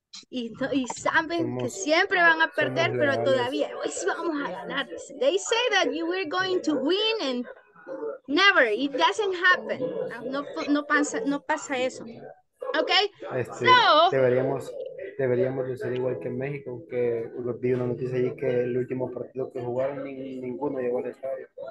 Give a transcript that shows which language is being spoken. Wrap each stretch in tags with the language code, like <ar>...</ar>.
<es>Y, no, y saben somos, que siempre van a perder, pero legales. Todavía hoy sí vamos a ganar.</es> <en>They say that you were going to win and never, it doesn't happen.</en> <es>No pasa eso. Okay? So, deberíamos decir igual que en México, que vi una noticia allí que el último partido que jugaron ninguno llegó al estadio.</es>